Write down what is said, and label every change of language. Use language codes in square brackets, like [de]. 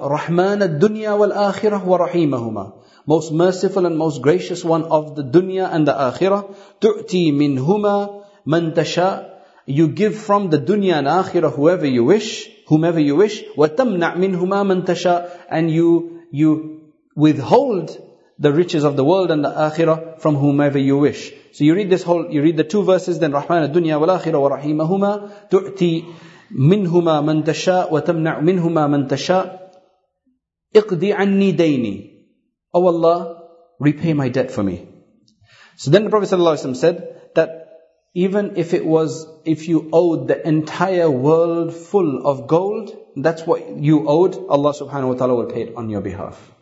[ar] Rahman ad-dunya wal-akhirah wa rahimahuma. [en] Most merciful and most gracious one of the dunya and the akhirah. [ar] Tu'ti minhuma man tasha. [en] You give from the dunya and akhirah whoever you wish, whomever you wish, [ar] وَتَمْنَعْ مِنْهُمَا مَنْ تَشَاءُ. [en] And you withhold the riches of the world and the akhirah from whomever you wish. So you read this whole, you read the two verses, then [ar] رَحْمَانَ الدُّنْيَا وَالْآخِرَةُ وَرَحِيمَهُمَا تُؤْتِي مِنْهُمَا مَنْ تَشَاءُ وَتَمْنَعْ مِنْهُمَا مَنْ تَشَاءُ اِقْدِ عَنِّي دَيْنِي. [en] Oh Allah, repay my debt for me. So then the Prophet ﷺ said that even if it was, if you owed the entire world full of gold, that's what you owed, Allah subhanahu wa ta'ala will pay it on your behalf.